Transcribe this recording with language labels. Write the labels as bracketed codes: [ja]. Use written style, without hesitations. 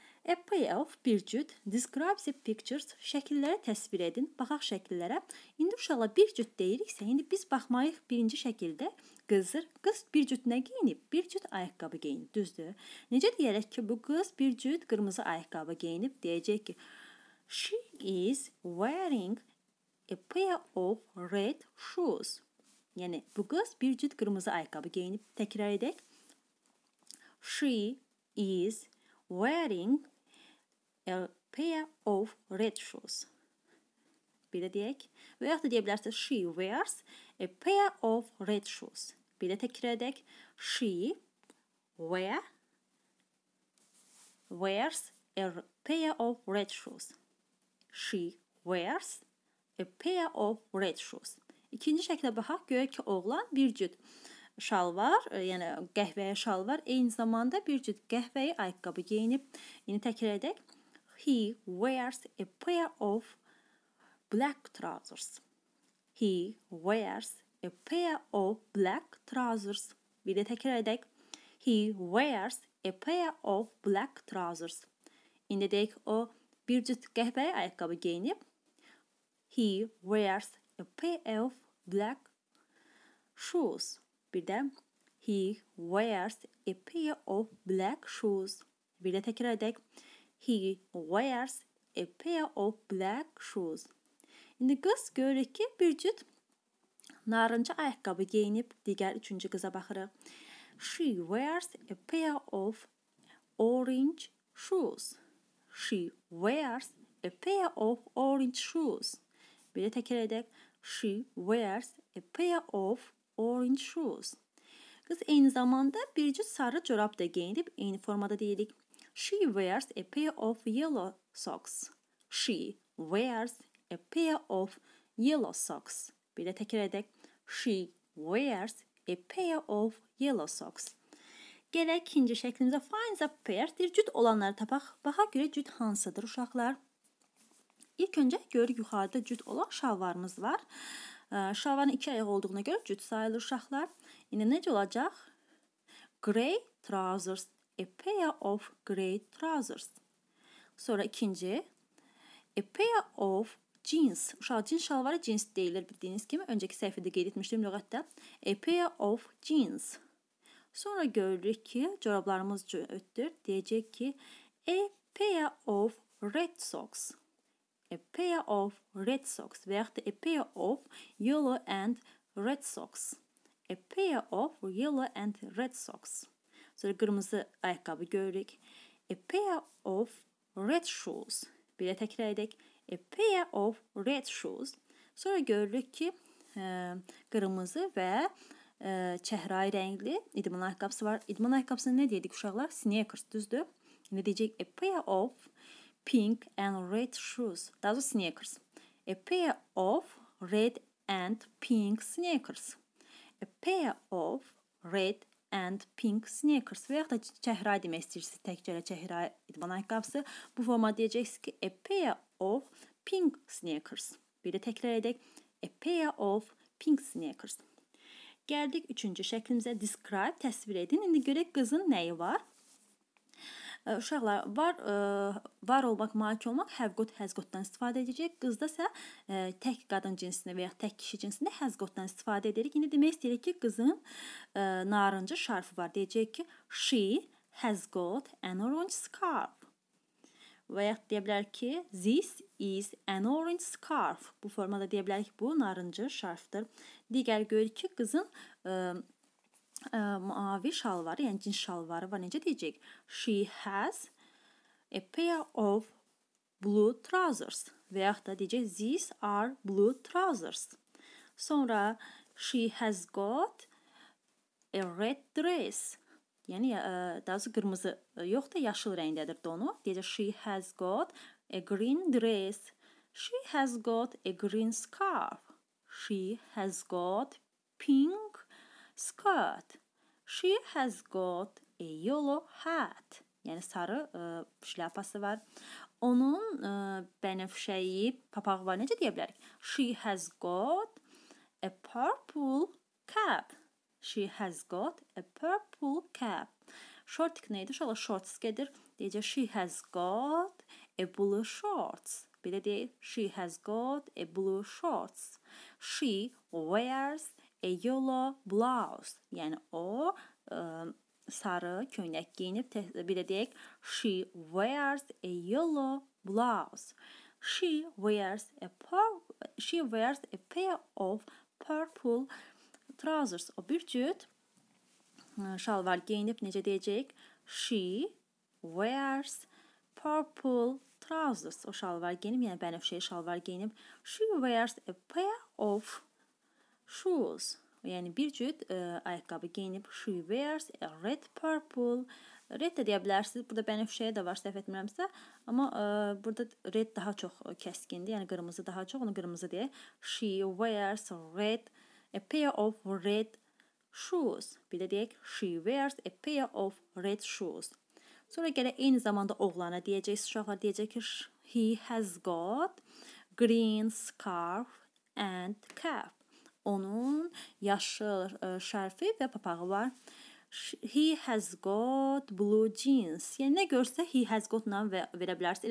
[en] A pair of, [az] bir cüt. [en] Describe the pictures. [az] Şəkilləri təsvir edin. Baxaq şəkillərə. İndi uşaqlar bir cüt deyiriksə, indi biz baxmayıq birinci şəkildə. Qızdır. Qız bir cüt nə geyinib? Bir cüt ayaqqabı geyinib. Düzdür. Necə deyərək ki, bu qız bir cüt qırmızı ayaqqabı geyinib? Deyəcək ki, [en] she is wearing a pair of red shoes. [az] Yəni, bu qız bir cüt qırmızı ayaqqabı geyinib. Təkrar edək. [en] She is wearing a pair of red shoes. [az] Bir də deyək. Və yaxud da deyə bilərsiniz, [en] she wears a pair of red shoes. [az] Bir də təkrar edək. [en] She wears a pair of red shoes. She wears a pair of red shoes. [az] İkinci şəklə baxaq, görək ki, oğlan bir cüt şalvar, yəni qəhvəyə şalvar, eyni zamanda bir cüt qəhvəyə ayaqqabı geyinib. İndi təkrar edək. [en] He wears a pair of black trousers. He wears a pair of black trousers. [az] Bir də təkrar edək. [en] He wears a pair of black trousers. [az] İndi deyək, o bir cüt qəhvəyə ayaqqabı geyinib. [en] He wears a pair of black shoes. [az] Bir də, [en] he wears a pair of black shoes. [az] Bir də təkrar edək. [en] He wears a pair of black shoes. [az] İndi qız görürük ki, bir cüt narıncı ayaqqabı geyinib. Digər üçüncü qıza baxırıq. [en] She wears a pair of orange shoes. She wears a pair of orange shoes. [az] Bir də təkrar edək. [en] She wears a pair of orange shoes. [az] Qız eyni zamanda bir cüt sarı corab da geyinib, eyni formada deyirik. [en] She wears a pair of yellow socks. She wears a pair of yellow socks. [az] Bir də təkrar edək. [en] She wears a pair of yellow socks. [az] Gələk ikinci şəklimizə. [en] Finds a pair. [az] Bir cüt olanları tapaq. Baxaq görə cüt hansıdır uşaqlar? İlk öncə görürük yuxarıda cüt olan şalvarımız var. Şalvarın iki ayaq olduğuna görə cüt sayılır uşaqlar. İndi necə olacaq? [en] Grey trousers. A pair of grey trousers. [az] Sonra ikinci. [en] A pair of jeans. [az] Uşaq cins şalvarı jeans deyilir bildiyiniz kimi. Öncəki səhifədə qeyd etmişdim lüğətdə. [en] A pair of jeans. [az] Sonra görürük ki, corablarımız cütdür. Deyəcək ki, [en] a pair of red socks. A pair of red socks. [az] Və yaxud da [en] a pair of yellow and red socks. A pair of yellow and red socks. [az] Sonra qırmızı ayaqqabı görürük. [en] A pair of red shoes. [az] Bir də təkrar edək. [en] A pair of red shoes. [az] Sonra görürük ki, qırmızı və çəhrayı rəngli idman ayaqqabısı var. İdman ayaqqabısına nə deyirdik uşaqlar? Sneakers düzdür. Nə deyəcək? [en] A pair of pink and red shoes. [az] Daha doğrusu [en] sneakers. A pair of red and pink sneakers. A pair of red and pink sneakers. [az] Və yaxud da çəhrayı demək istəyirsiniz. Təkcələ çəhrayı idman ayaqqabısı. Bu formada deyəcəksiniz ki, [en] a pair of pink sneakers. [az] Bir də təkrar edək. [en] A pair of pink sneakers. [az] Gəldik üçüncü şəklimizə. [en] Describe, [az] təsvir edin. İndi görək qızın nəyi var? Uşaqlar, var olmaq, malik olmaq have got, has got-dan istifadə edəcək. Qızda isə tək qadın cinsində və ya tək kişi cinsində has got-dan istifadə edirik. İndi demək istəyirik ki, qızın narıncı şarfı var. Deyəcək ki, [en] she has got an orange scarf. [az] Və ya deyə bilər ki, [en] this is an orange scarf. [az] Bu formada deyə bilərik ki, bu narıncı şarfdır. Digər görürük ki, qızın mavi şalvarı, yəni cins şalvarı var. Necə deyəcək? [en] She has a pair of blue trousers. [az] Və ya da deyəcək, [en] these are blue trousers. Sonra, she has got a red dress. [az] Yəni, daha doğrusu qırmızı yoxdur, yaşıl rəngdədir donu. Deyəcək, [en] she has got a green dress. She has got a green scarf. She has got pink skirt. She has got a yellow hat. [az] Yəni, sarı şlapası var. Onun bənəfşəyi, papağı var. Necə deyə bilərik? [en] She has got a purple cap. She has got a purple cap. [az] Shortik neydi? Şələ shorts gedir. Deyəcək, [en] she has got a blue shorts. [az] Bir də deyək, [en] she has got a blue shorts. She wears a yellow blouse. [az] Yəni, o sarı köynək giyinib. Bir də deyək, [en] she wears a yellow blouse. She wears a pair of purple trousers. [az] O bir cüt şalvar giyinib, necə deyəcək? [en] She wears purple trousers. [az] O şalvar giyinib, yəni bənövşəyə şalvar giyinib. [en] She wears a pair of shoes. [az] Yəni bir cüt ayaqqabı giyinib. [en] She wears a red purple. [az] Red də deyə bilərsiniz. Burada bənövşəyə də var, səhv etmirəmsə. Amma burada red daha çox kəskindir. Yəni qırmızı daha çox, onu qırmızı deyək. [en] She wears red a pair of red shoes. [az] Bir də deyək, [en] she wears a pair of red shoes. [az] Sonra gələk, eyni zamanda oğlana deyəcək, uşaqlar deyəcək ki, [en] he has got green scarf and cap. [az] Onun yaşıl şərfi və papağı var. [en] He has got blue jeans. [az] Yəni, nə görsə, he has got-la verə bilərsiniz.